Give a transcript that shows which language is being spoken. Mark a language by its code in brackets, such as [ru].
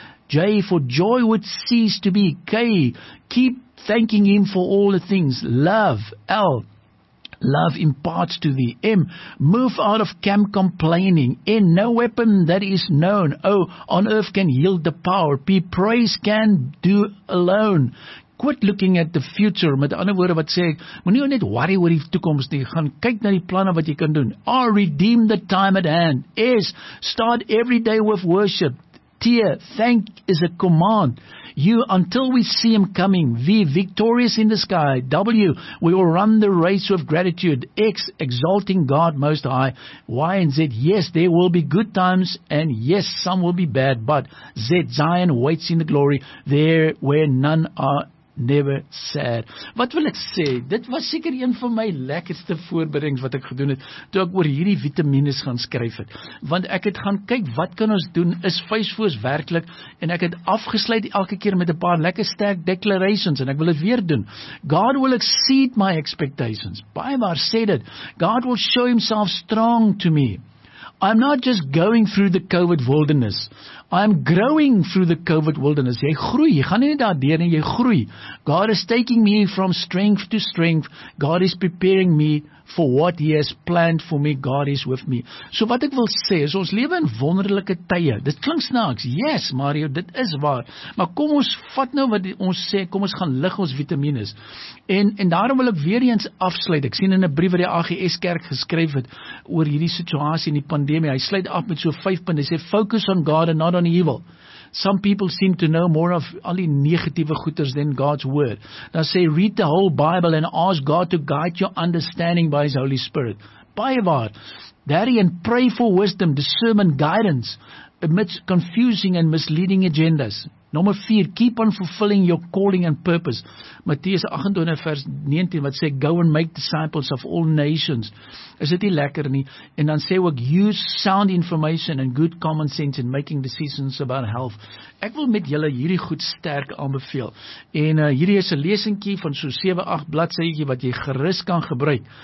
[en] J, for joy would cease to be. K, keep thanking him for all the things. Love. L, love imparts to thee. M, move out of camp complaining. N, no weapon that is known. O, on earth can yield the power. P, praise can do alone. Quit looking at the future, [af] met ander woorde wat sê ek, moet nie net worry oor die toekomst nie, gaan kyk na die planne wat jy kan doen. [en] R, redeem the time at hand. S, start every day with worship. T, thank is a command. U, until we see him coming. V, victorious in the sky. W, we will run the race with gratitude. X, exalting God most high. Y and Z, yes, there will be good times, and yes, some will be bad, but Z, Zion waits in the glory, there where none are never sad. [af] Wat wil ek sê, dit was seker een van my lekkerste voorbereidings wat ek gedoen het, toe ek oor hierdie vitamines gaan skryf het, want ek het gaan kyk, wat kan ons doen, is face foes werklik, en ek het afgesluit elke keer met 'n paar lekker sterk declarations, en ek wil het weer doen. [en] God will exceed my expectations, [af] baie waar sê dit, [en] God will show himself strong to me, I'm not just going through the COVID wilderness. I'm growing through the COVID wilderness. [af] Jy groei, jy gaan nie daar deur en jy groei. [en] God is taking me from strength to strength. God is preparing me for what he has planned for me. God is with me. [af] So wat ek wil sê, is ons lewe in wonderlike tye. Dit klink snaaks. Yes, Mario, dit is waar. Maar kom ons vat nou wat ons sê, kom ons gaan lig ons vitamines. En daarom wil ek weer eens afsluit. Ek sien in 'n brief wat die AGS kerk geskryf het, oor hierdie situasie in die pandemie. Hy sluit af met so 5 punte. Hy sê, [en] focus on God and not on evil. Some people seem to know more of [af] al die negatiewe goeders [en] than God's word. [af] Dan sê, [en] read the whole Bible and ask God to guide your understanding by his Holy Spirit. [af] Baie waar. Daarin, [en] pray for wisdom, discernment, guidance, amidst confusing and misleading agendas. [af] Nummer 4, [en] keep on fulfilling your calling and purpose. [af] Matteus 28 vers 19 wat sê, [en] go and make disciples of all nations. [af] Is dit nie lekker nie? En dan sê ook, [en] use sound information and good common sense in making decisions about health. [af] Ek wil met julle hierdie goed sterk aanbeveel. En hierdie is 'n lesinkie van so 7-8 bladsyetjie wat jy gerus kan gebruik.